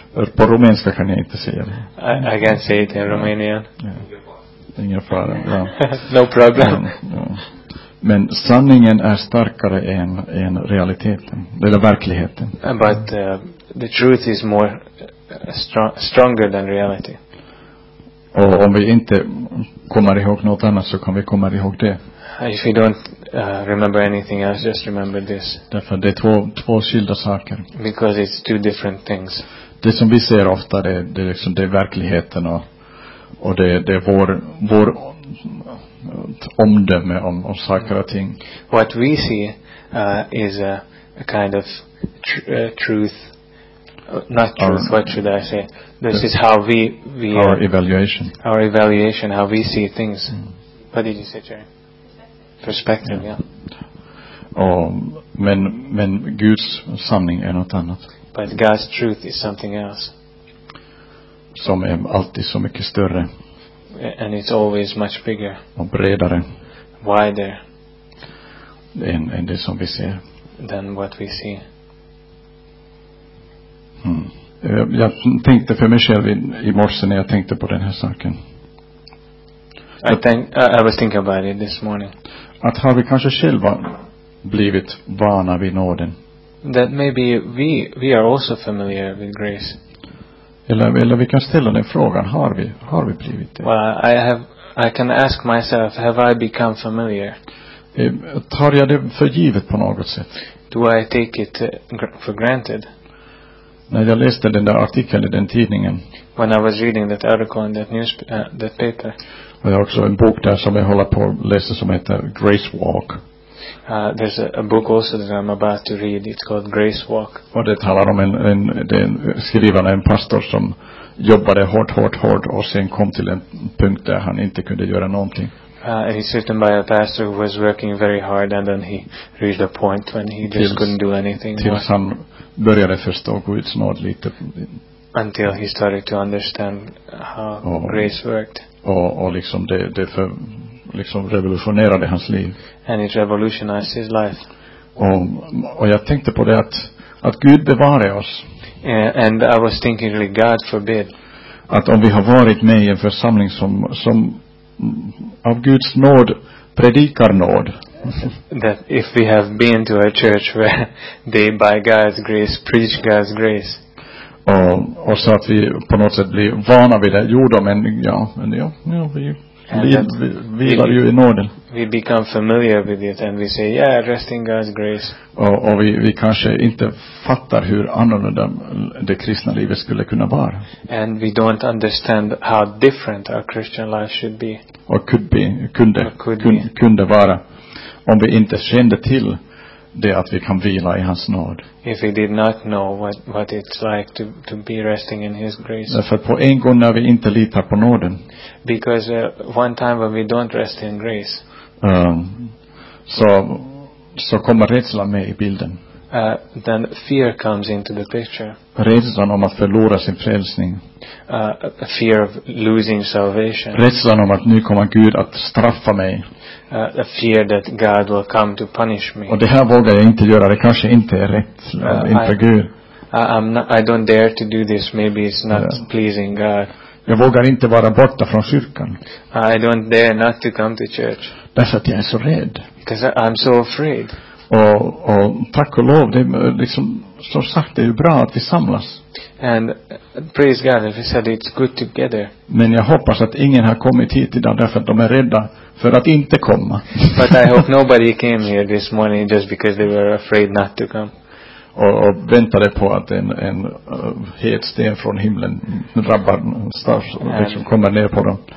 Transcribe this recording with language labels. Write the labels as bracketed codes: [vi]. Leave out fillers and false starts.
[sv] På rumänska kan jag inte säga det. [en] I can't say it in Romanian. [sv] Yeah. Ingen fara. Yeah. [en] No problem. [sv] Men sanningen är starkare än realiteten eller verkligheten. [en] But the truth is more stronger than reality. [sv] Och om vi inte kommer ihåg något annat så kan vi komma ihåg det. [en] If you don't remember anything else, just remember this. [sv] Därför det är två skilda saker. [en] Because it's two different things. [sv] Det som vi ser ofta det är liksom det är verkligheten och det är vår omdöme om saker och ting. [en] What we see is a kind of truth. Not truth, what should I say? This is how we our evaluation. Our evaluation, how we see things. Mm. What did you say, Jerry? Perspective, yeah. [sv] Oh, men Guds sanning är något annat. [en] But God's truth is something else. [sv] Som är alltid så mycket större. [en] And it's always much bigger. [sv] Och bredare. [en] Wider. [sv] Än det som vi ser. [en] Than what we see. [sv] Jag tänkte för mig själv i morse när jag tänkte på den här saken. [en] I was thinking about it this morning. [sv] Att har vi kanske själva blivit vana vid nåden? [en] That maybe we are also familiar with grace. [sv] Eller vi kan ställa den frågan, har vi blivit det? [en] Well, I can ask myself, have I become familiar? [sv] Tar jag det för givet på något sätt? [en] Do I take it for granted? [sv] När jag läste den där artikeln i den tidningen. [en] When I was reading that article in that that paper. [sv] Och jag har också en bok där som jag håller på att läsa som heter Grace Walk. [en] There's a book also that I'm about to read. It's called Grace Walk. [sv] Och det talar om en skrivande en pastor som jobbade hårt och sen kom till en punkt där han inte kunde göra någonting. [en] It's written by a pastor who was working very hard and then he reached a point when he just couldn't do anything. [sv] Tills han började förstå Guds nåd lite. [en] Until he started to understand how grace worked. [sv] Och liksom det för liksom revolutionerade hans liv. [en] And it revolutionized his life. [sv] Och jag tänkte på det att Gud bevarar oss. [en] And I was thinking, really, God forbid. [sv] Att om vi har varit med i en församling som av Guds nåd predikar nåd. [en] That if we have been to a church where they by God's grace preach God's grace. [sv] Och så att vi på något sätt blir vana vid det. Jo då, men vi vilar ju i nåden. [en] We become familiar with it and we say, yeah, rest in God's grace. [sv] Och vi kanske inte fattar hur annorlunda det kristna livet skulle kunna vara. [en] And we don't understand how different our Christian life should be. Or could be, kunde, or could kun, be. [sv] Kunde vara. Om vi inte kände till det att vi kan vila i hans nåd. [en] If we did not know what it's like to be resting in his grace. [sv] Därför på en gång när vi inte litar på nåden. [en] Because one time when we don't rest in grace. [sv] Så kommer rädslan med i bilden. [en] Then fear comes into the picture. [sv] Rädslan om att förlora sin frälsning. [en] Fear of losing salvation. [sv] Rädslan om att nu kommer Gud att straffa mig. [en] A fear that God will come to punish me. [sv] Och det här vågar jag inte göra. Det kanske inte är rätt inför Gud. [en] I don't dare to do this. Maybe it's not pleasing God. [sv] Jag vågar inte vara borta från kyrkan. [en] I don't dare not to come to church. [sv] Därför att jag är så rädd. [en] Because I'm so afraid. [sv] Och tack och lov, det är liksom som sagt, det är ju bra att vi samlas. [en] And praise God, if he said it's good together. [sv] Men jag hoppas att ingen har kommit hit idag därför att de är rädda för att inte komma. [en] But I hope nobody came here this morning just because they were afraid not to come. [sv] Och väntade på att en het sten från himlen drabbar stars och liksom kommer ner på dem.